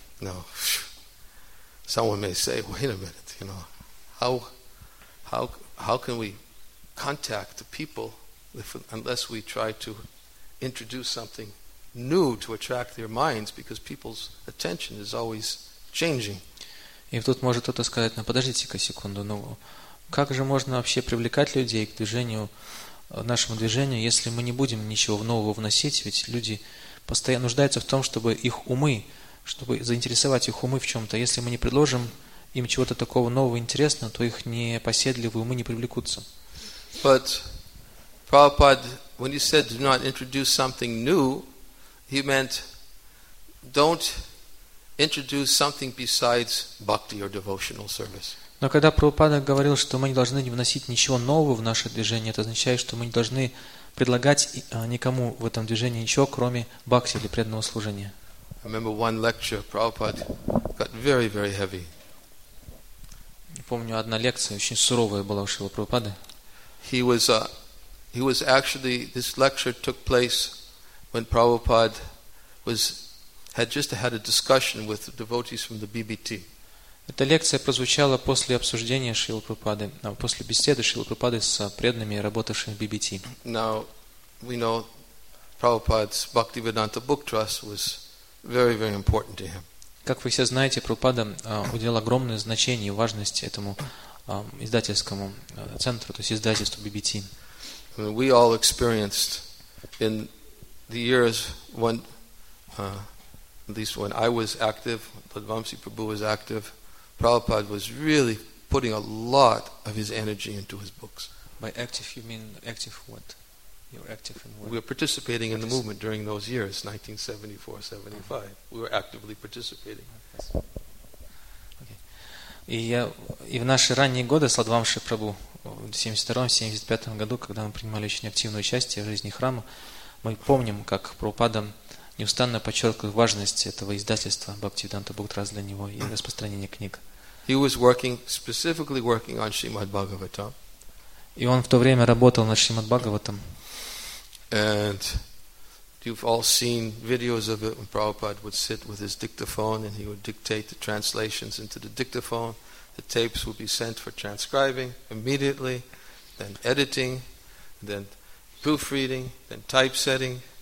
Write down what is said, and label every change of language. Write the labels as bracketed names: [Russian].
[English] No. Someone may say, wait a minute, you know, how can we contact the people unless we try to introduce something new to attract their minds, because people's attention is always changing. [Russian] И тут может кто-то сказать, ну подождите-ка секунду, ну как же можно вообще привлекать людей к движению, нашему движению, если мы не будем ничего нового вносить, ведь люди постоянно нуждаются в том, чтобы их умы, чтобы заинтересовать их умы в чем-то. Если мы не предложим им чего-то такого нового, интересного, то их непоседливые умы не привлекутся. [English] But Prabhupada, when he said do not introduce something new, he meant don't introduce something besides bhakti or devotional service. [Russian] Но когда Прабхупада говорил, что мы не должны вносить ничего нового в наше движение, это означает, что мы не должны предлагать никому в этом движении ничего, кроме бхакти или преданного служения. [English] I remember one lecture, Prabhupada got very, very heavy. [Russian] Помню, одна лекция очень суровая была у Шрилы Прабхупады. [English] He was actually, this lecture took place when Prabhupada had just had a discussion with the devotees from the BBT. [Russian] Эта лекция прозвучала после обсуждения Шрилы Прабхупады, после беседы Шрилы Прабхупады с преданными, работавшими в BBT. [English] Now we know Prabhupada's Bhaktivedanta Book Trust was very, very important to him. [Russian] Как вы все знаете, Прабхупада уделял огромное значение и важность этому издательскому центру, то есть издательству BBT. [English] We all experienced in the years when, at least when I was active, Padmavamsi Prabhu was active, Prabhupada was really putting a lot of his energy into his books. By active, you mean active what? You're active in what? We were participating in the movement during those years, 1974-75. Uh-huh. We were actively participating. [Russian] И в наши ранние годы Сладвамши Прабу, в 1972-1975 году, когда мы принимали очень активное участие в жизни храма, мы помним, как Прабхупада неустанно подчеркивал важность этого издательства Бхактивиданта Бхуктрас для него и распространение книг. [English] He was working, specifically working on Shrimad Bhagavatam. [Russian] И он в то время работал над Шримад Бхагаватам. [English] And you've all seen videos of it when Prabhupada would sit with his dictaphone and he would dictate the translations into the dictaphone. The tapes would be sent for transcribing immediately, then editing, then proofreading, then typesetting.